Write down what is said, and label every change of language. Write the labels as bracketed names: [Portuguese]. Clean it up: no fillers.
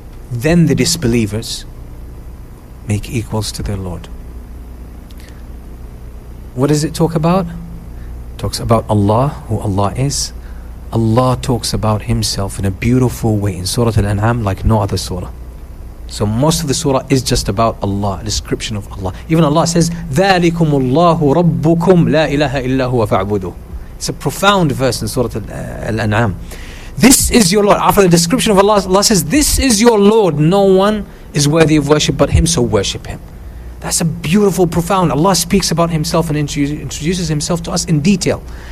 [English] Then the disbelievers make equals to their Lord. What does it talk about? It talks about Allah, who Allah is. Allah talks about Himself in a beautiful way in Surah Al-An'am like no other surah. So most of the surah is just about Allah, description of Allah. Even Allah says, [Arabic] ذَلِكُمُ اللَّهُ رَبُّكُمْ لَا إِلَهَ إِلَّا هُوَ فَاعْبُدُهُ. [English] It's a profound verse in Surah Al-An'am. This is your Lord. After the description of Allah, Allah says, this is your Lord. No one is worthy of worship but Him, so worship Him. That's a beautiful, profound. Allah speaks about Himself and introduces Himself to us in detail.